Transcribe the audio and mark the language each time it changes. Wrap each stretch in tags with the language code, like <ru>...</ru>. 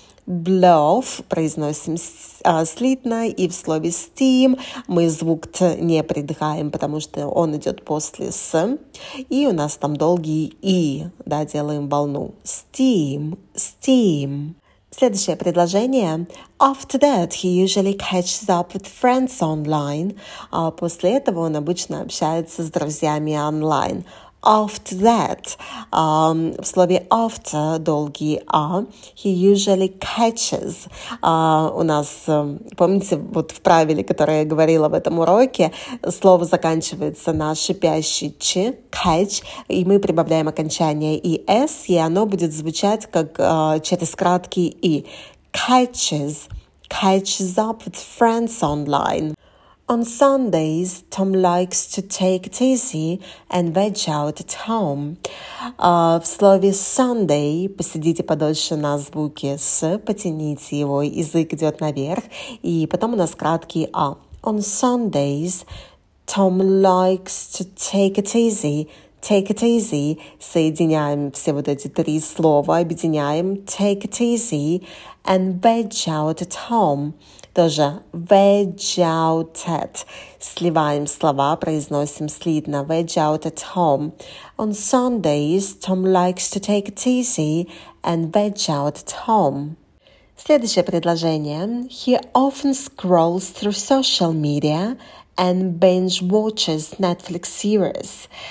<ru>Blow произносим слитно, и в слове steam мы звук t не придыхаем, потому что он идет после s, и у нас там долгий i, да, делаем волну.</ru> <en>Steam, steam.</en> <ru>Следующее предложение.</ru> <en>After that, he usually catches up with friends online.</en> <ru>После этого он обычно общается с друзьями онлайн.</ru> <en>After that,</en> <ru>в слове after долгий а,</ru> <en>he usually catches.</en> <ru>У нас, помните, вот в правиле, которое я говорила в этом уроке, слово заканчивается на шипящий ч, catch, и мы прибавляем окончание ес, и оно будет звучать как через краткий и.</ru> <en>Catches up with friends online. On Sundays, Tom likes to take Tizzy and veg out at home.</en> <ru>В слове Sunday посидите подольше на звуке «с», потяните его, язык идет наверх, и потом у нас краткий «а».</ru> <en>On Sundays, Tom likes to take it easy. Take it easy.</en> <ru>Соединяем все вот эти три слова, объединяем.</ru> <en>Take it easy and veg out at home. Тоже veg out at.</en> <ru>Сливаем слова, произносим слитно.</ru> <en>Veg out at home. On Sundays, Tom likes to take it easy and veg out at home.</en> <ru>Следующее предложение.</ru> <en>He often scrolls through social media and binge watches Netflix series.</en>